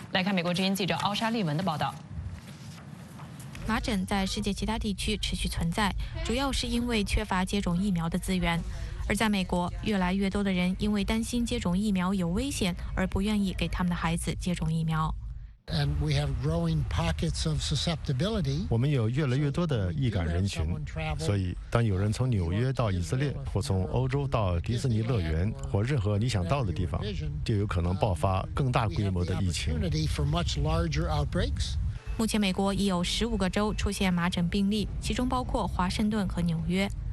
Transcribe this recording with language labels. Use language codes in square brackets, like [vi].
[zh] 来看美国之音记者奥沙利文的报道。麻疹在世界其他地区持续存在，主要是因为缺乏接种疫苗的资源。而在美国，越来越多的人因为担心接种疫苗有危险而不愿意给他们的孩子接种疫苗。 [en] And we have growing pockets of susceptibility. [zh] 我们有越来越多的易感人群，所以当有人从纽约到以色列，或从欧洲到迪士尼乐园，或任何你想到的地方，就有可能爆发更大规模的疫情。目前美国已有15个州出现麻疹病例，其中包括华盛顿和纽约。